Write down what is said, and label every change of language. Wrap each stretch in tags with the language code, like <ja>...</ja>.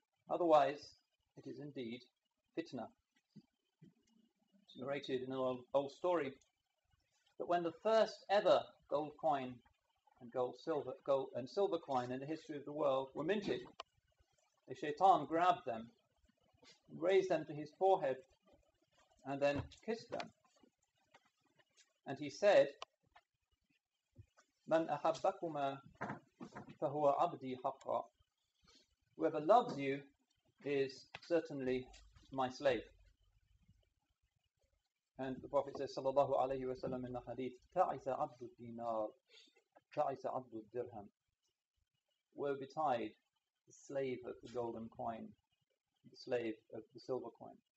<en>Otherwise, it is indeed fitna. It's narrated in an old story that when the first ever gold coin and silver coin in the history of the world were minted, the shaitan grabbed them, raised them to his forehead, and then kissed them. And he said,</en> <ar>مَنْ أَحَبَّكُمَا فَهُوَ عَبْدِي حَقًّا.</ar> <en>Whoever loves you is certainly my slave. And the Prophet says, sallallahu alayhi wa sallam, in the hadith,</en> <ar>تَعِسَ عَبْدُ الدِّينَارِ تَعِسَ عَبْدُ الدِّرْهَمِ.</ar> <en>Woe betide the slave of the golden coin, the slave of the silver coin.</en>